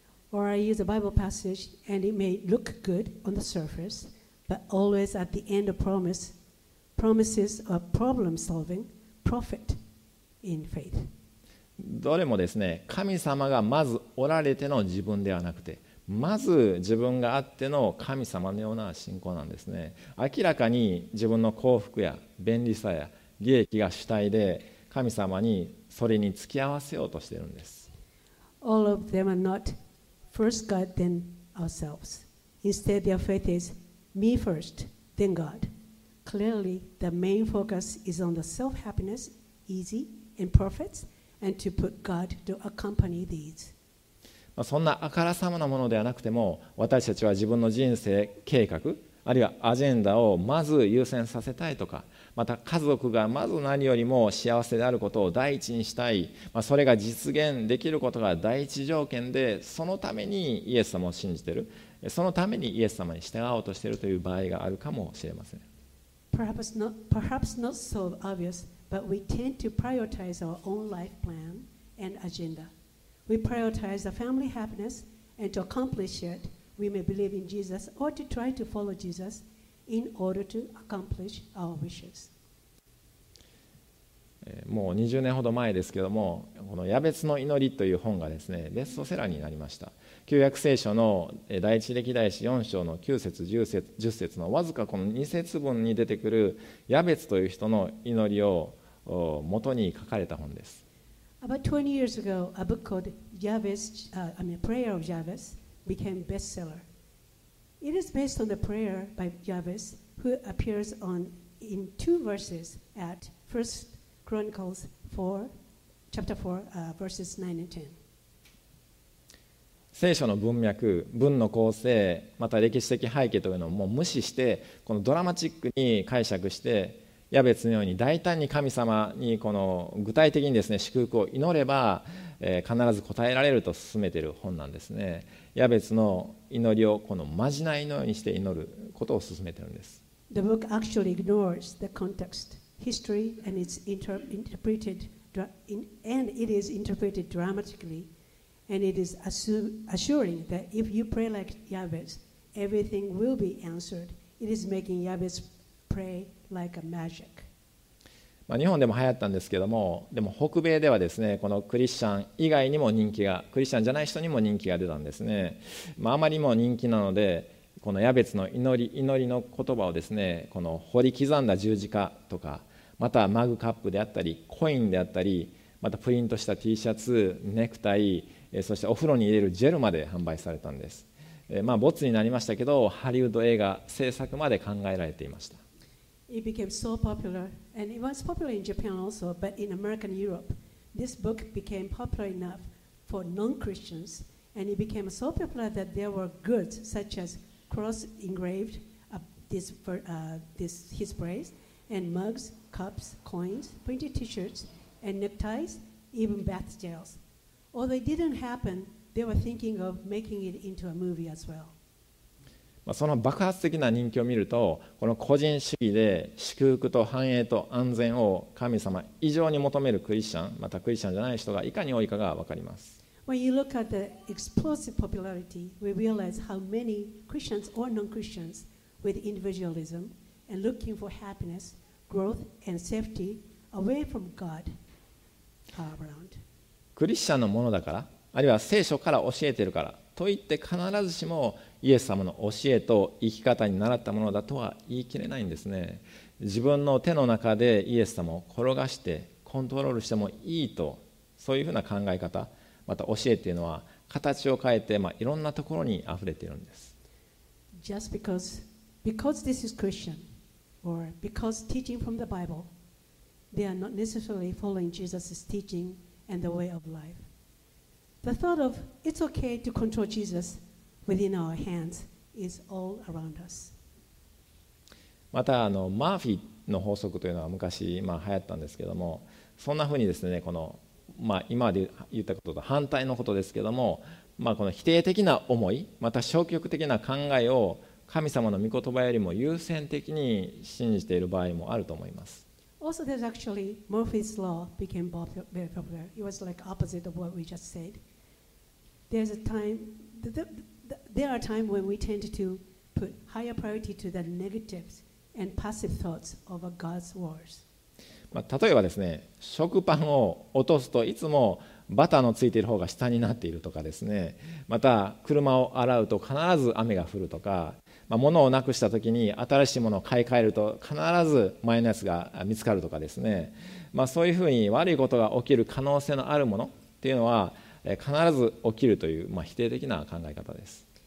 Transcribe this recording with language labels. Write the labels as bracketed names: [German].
[English] Or I use a Bible passage and it may look good on the surface. But always at the end of promises or problem solving, profit in faith. [Japanese] どれもですね、神様がまずおられての自分ではなくて、まず自分があっての神様のような信仰なんですね。明らかに自分の幸福や便利さや利益が主体で、神様にそれに付き合わせようとしているんです。 [English] All of them are not first God, then ourselves. Instead, their faith is me first, then God. Clearly, the main focus is on the self-happiness, easy, and profits, and to put God to accompany these. [Japanese] そんなあからさまなものではなくても、私たちは自分の人生計画あるいはアジェンダをまず優先させたいとか、また家族がまず何よりも幸せであることを第一にしたい、それが実現できることが第一条件で、そのためにイエス様を信じている、そのためにイエス様に従おうとしているという場合があるかもしれません。 [English] perhaps not so obvious, but we tend to prioritize our own life plan and agenda. We prioritize the family happiness, and to accomplish it, we may believe in Jesus or to try to follow Jesus in order to accomplish our wishes. [Japanese] もう20年ほど前ですけども、この矢別の祈りという本がですね、ベストセラーになりました。旧約聖書の第一歴代史4章の9節、10節のわずかこの2節分に出てくる矢別という人の祈りを元に書かれた本です。 [English] About 20 years ago, a book called Prayer of Jabez became bestseller. It is based on the prayer by Jabez, who appears in two verses at 1 Chronicles 4, chapter 4, verses 9 and 10. [Japanese] 聖書の文脈、文の構成、また歴史的背景というのをもう無視して、このドラマチックに解釈して、矢別のように大胆に神様にこの具体的にですね、祝福を祈れば必ず答えられると勧めている本なんですね。矢別の祈りをこのまじないのようにして祈ることを勧めているんです。 [English] The book actually ignores the context, history, and it's interpreted, and it is interpreted dramatically, and it is assuring that if you pray like Jabez, everything will be answered. It is making Jabez pray. Like、a magic. [Japanese] 日本でも流行ったんですけども、でも北米ではですね、このクリスチャン以外にも人気が、クリスチャンじゃない人にも人気が出たんですね、あまりにも人気なので、この矢別の祈りの言葉をですね、この掘り刻んだ十字架とか、またマグカップであったりコインであったり、またプリントした T シャツ、ネクタイ、そしてお風呂に入れるジェルまで販売されたんです。ボツになりましたけど、ハリウッド映画制作まで考えられていました。 [English] It became so popular, and it was popular in Japan also, but in America and Europe, this book became popular enough for non-Christians, and it became so popular that there were goods such as cross engraved his praise, and mugs, cups, coins, printed T-shirts, and neckties, even bath gels. Although it didn't happen, they were thinking of making it into a movie as well. [Japanese] その爆発的な人気を見ると、この個人主義で祝福と繁栄と安全を神様以上に求めるクリスチャン、またクリスチャンじゃない人がいかに多いかが分かります。 [English] When you look at the explosive popularity, we realize how many Christians or non-Christians with individualism and looking for happiness, growth and safety away from God are around. [Japanese] クリスチャンのものだから、あるいは聖書から教えてるからといって、必ずしもイエス様の教えと生き方に習ったものだとは言い切れないんですね。自分の手の中でイエス様を転がしてコントロールしてもいいと、そういうふうな考え方、また教えというのは形を変えて、いろんなところにあふれているんです。 [English] Just because this is Christian or because teaching from the Bible, they are not necessarily following Jesus' teaching and the way of life. The thought of it's okay to control Jesus within our hands is all around us. [Japanese] またマーフィーの法則というのは昔、流行ったんですけども、そんなふうにですね、この、今まで言ったことと反対のことですけども、この否定的な思い、また消極的な考えを神様の御言葉よりも優先的に信じている場合もあると思います。 [English] Also, there's actually Murphy's Law became very popular. It was like opposite of what we just said. There are times when we tend to put higher priority to the negatives and passive thoughts over God's words. [Japanese] まあ、例えばですね、食パンを落とすといつもバターのついている方が下になっているとかですね、また車を洗うと必ず雨が降るとか、まあ、物をなくしたときに新しいものを買い替えると必ず前のやつが見つかるとかですね、まあ、そういうふうに悪いことが起きる可能性のあるものっていうのは必ず起きるという、まあ、否定的な考え方です。